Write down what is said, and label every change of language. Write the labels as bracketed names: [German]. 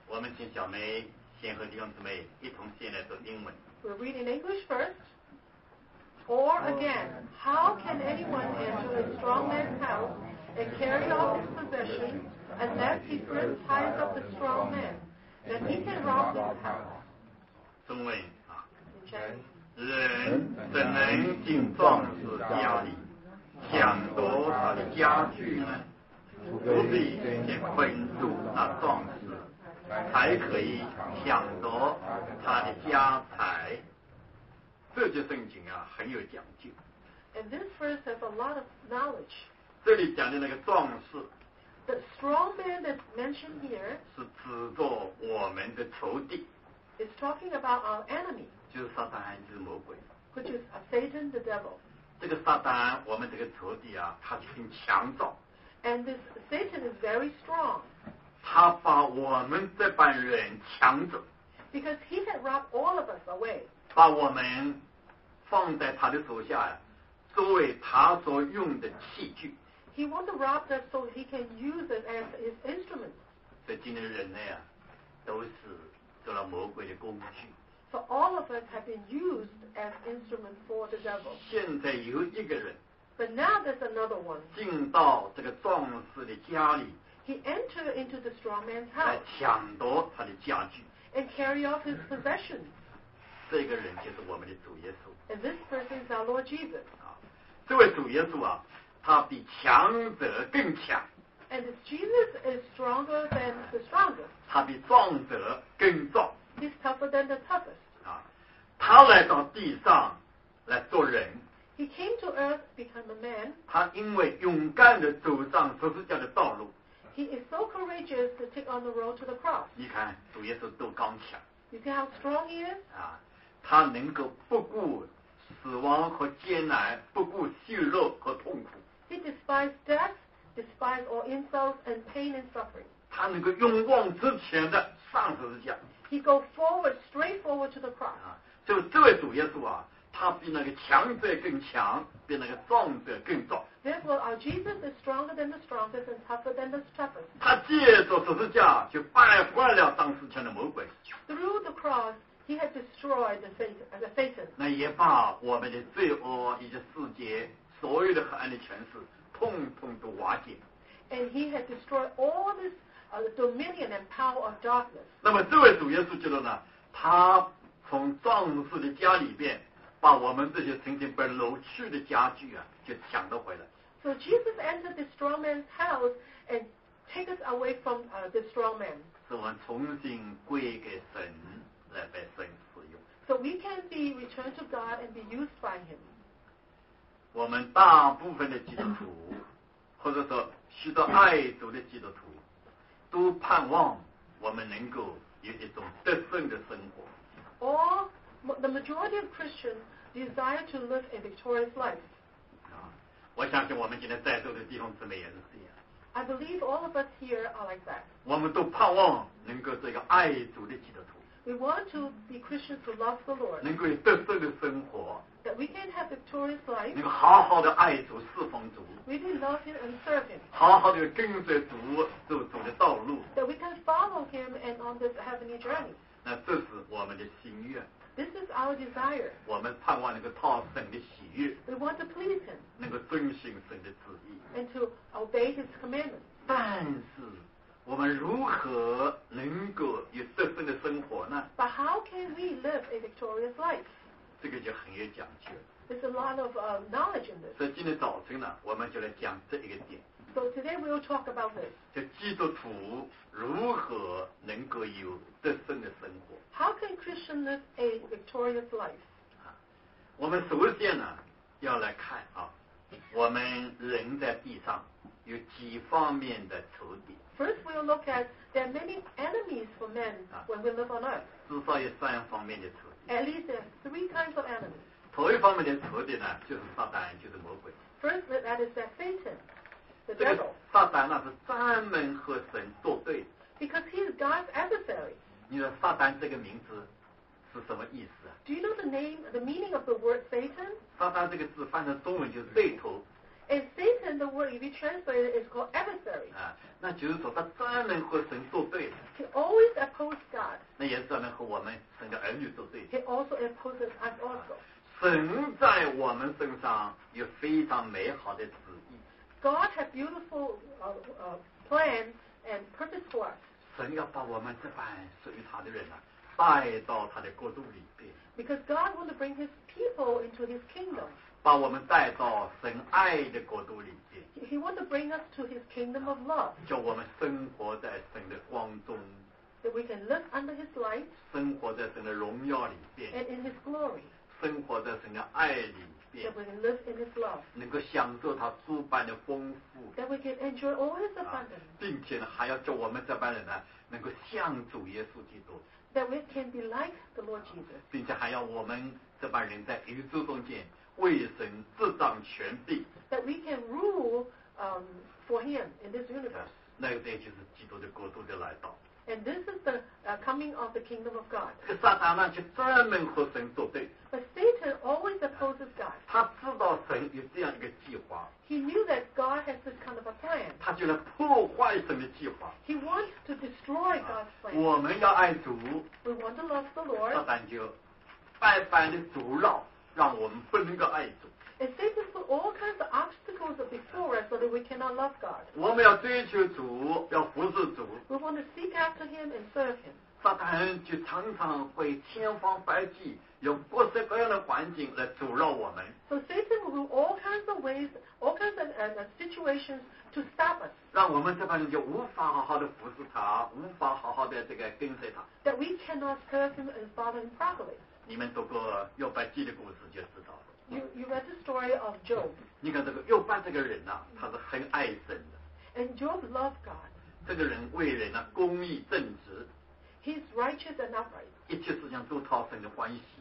[Chinese] 我们请小梅先和弟兄姊妹一同先来读英文。 [English] We'll read in English first. Or again, how can anyone enter a strong man's house and carry off his possession unless he first ties up the strong man, that he can rob his house? [Chinese] 中文啊。 [English] Okay. [Chinese] 人怎能进壮士家里抢夺他的家具呢？除非先困住那壮士，才可以抢夺他的家财。这节圣经啊，很有讲究。 [English] And this verse has a lot of knowledge. [Chinese] 这里讲的那个壮士 [English] ，The strong man that's mentioned here [Chinese] 是指着我们的仇敌。 [English] It's talking about our enemy. [Chinese] 就是撒旦，就是魔鬼。 [English] Which is a Satan, the devil. [Chinese] 这个撒旦，我们这个仇敌啊，他很强壮。 [English] And this Satan is very strong. [Chinese] 他把我们这帮人抢走。 [English] Because he had robbed all of us away. [Chinese] 把我们放在他的手下，作为他所用的器具。 [English] He wants to rob us so he can use it as his instrument. [Chinese] 所以今天人类啊，都是。做了魔鬼的工具。 [English] So all of us have been used as instrument for the devil. [Chinese] 现在有一个人。 [English] But now there's another one. [Chinese] 进到这个壮士的家里。 [English] He entered into the strong man's house. [Chinese] 来抢夺他的家具。 [English] And carry off his possessions. [Chinese] 这个人就是我们的主耶稣。 [English] And this person is our Lord Jesus. [Chinese] 这位主耶稣啊，他比强者更强。 [English] And Jesus is stronger than the strongest. [Chinese] 他比壮者更壮。 [English] He's tougher than the toughest. [Chinese] 啊，他来到地上来做人。 [English] He came to earth to become a man. [Chinese] 他因为勇敢地走上十字架的道路。 [English] He is so courageous to take on the road to the cross. [Chinese] 你看主耶稣多刚强。 [English] You see how strong he is? [Chinese] 啊，他能够不顾死亡和艰难，不顾血肉和痛苦。 [English] He despised death. Despise all insults and pain and suffering. [Chinese] 他能够勇往直前的上十字架。 [English] He go forward, straight forward to the cross. [Chinese] 啊，就这位主耶稣啊，他比那个强者更强，比那个壮者更壮。 [English] Therefore, our Jesus is stronger than the strongest and tougher than the toughest. [Chinese] 他借着十字架就败坏了当时前的魔鬼。 [English] Through the cross, he had destroyed the Satan. [Chinese] 那也把我们的罪恶以及世界所有的黑暗的权势。统统都瓦解。 [English] And he had destroyed all this dominion and power of darkness. [Chinese] 那么这位主耶稣基督呢？他从壮士的家里边，把我们这些曾经被掳去的家具啊，就抢得回来。 [English] So Jesus entered the strong man's house and take us away from the strong man. [Chinese] 使我们重新归给神来被神使用。 [English] So we can be returned to God and be used by him. [Chinese] 我们大部分的基督徒，或者说许多爱主的基督徒，都盼望我们能够有一种得胜的生活。 [English] Or the majority of Christians desire to live a victorious life. [Chinese] 我相信我们今天在座的弟兄姊妹也是这样。 [English] I believe all of us here are like that. [Chinese] 我们都盼望能够做一个爱主的基督徒。 [English] We want to be Christians who love the Lord. [Chinese] 能够有得胜的生活。 [English] That we can have victorious life. [Chinese] 能够好好的爱主、侍奉主。 [English] We can love Him and serve Him. [Chinese] 好好的跟随主、走主的道路。 [English] That we can follow Him and on this heavenly journey. [Chinese] 那这是我们的心愿。 [English] This is our desire. [Chinese] 我们盼望能够讨神的喜悦。 [English] We want to please Him. [Chinese] 能够遵行神的旨意。 [English] And to obey His commandments. [Chinese] 但是。我们如何能够有得胜的生活呢 [English] ？But how can we live a victorious life？ [Chinese] 这个就很有讲究。 [English] There's a lot of knowledge in this。 [Chinese] 所以今天早晨呢，我们就来讲这一个点。 [English] So today we'll talk about this。 [Chinese] 就基督徒如何能够有得胜的生活 [English] ？How can Christians live a victorious life？ [Chinese] 我们首先呢要来看啊，我们人在地上有几方面的仇敌。 [English] First, we'll look at there are many enemies for men when we live on earth. [Chinese] 至少有三方面的仇敌。 [English] At least there are three kinds of enemies. [Chinese] 头一方面的仇敌呢，就是撒旦，就是魔鬼。 [English] First, that is that Satan, the devil. [Chinese] 撒旦呢是专门和神作对。 [English] Because he is God's adversary. [Chinese] 你说撒旦这个名字是什么意思？ [English] Do you know the name, the meaning of the word Satan? [Chinese] 撒旦这个字翻成中文就是对头。 [English] And Satan, the word if you translate it, is called adversary. [Chinese] 啊，那就是说他专门和神作对的。 [English] He always opposes God. [Chinese] 那也是专门和我们神的儿女作对。 [English] He also opposes us also. [Chinese] 神在我们身上有非常美好的旨意。 [English] God has beautiful plan and purpose for us. [Chinese] 神要把我们这般属于他的人呢、啊，带到他的国度里边。 [English] Because God wants to bring His people into His kingdom.、啊、 [Chinese] 把我们带到神爱的国度里边。 [English] He wants to bring us to His kingdom of love. [Chinese] 叫我们生活在神的光中。 [English] That we can live under His light. [Chinese] 生活在神的荣耀里边。 [English] And in His glory. [Chinese] 生活在神的爱里边 [English] that we can live in his love. [Chinese] 能够享受他诸般的丰富 [English] that we can enjoy all his abundance.、 [Chinese] 啊、并且呢还要叫我们这般人呢能够像主耶稣基督 [English] that we can be like the Lord Jesus.、啊、 [Chinese] 并且还要我们这般人在宇宙中间为神执掌权柄 [English] that we can rule、for him in this universe.、 [Chinese] 啊、那个也就是基督的国度的来到 [English] And this is the、coming of the kingdom of God. [Chinese] 可撒旦呢，就专门和神作对。 [English] But Satan always opposes God. [Chinese] 他知道神有这样一个计划。 [English] He knew that God has this kind of a plan. [Chinese] 他就来破坏神的计划。 [English] He wants to destroy God's plan. [Chinese] 我们要爱主。 [English] We want to love the Lord. [Chinese] 撒旦就百般的阻挠，让我们不能够爱主。 [English] And Satan put all kinds of obstacles before us so that we cannot love God. [Chinese] 我们要追求主，要服侍主。 [English] We want to seek after him and serve him. [Chinese] 撒旦就常常会千方百计，用各式各样的环境来阻挠我们。 [English] So Satan will do all kinds of ways, all kinds of situations to stop us. [Chinese] 让我们这帮人就无法好好的服侍他，无法好好的这个跟随他。 [English] That we cannot serve him and follow him properly. [Chinese] 你们读过约伯记的故事就知道了。 [English] You read the story of Job. [Chinese] 你看这个约伯这个人呢、啊，他是很爱神的。 [English] And Job loved God. [Chinese] 这个人为人呢、啊，公义正直。 [English] He's righteous and upright. [Chinese] 一切事情都讨神的欢喜。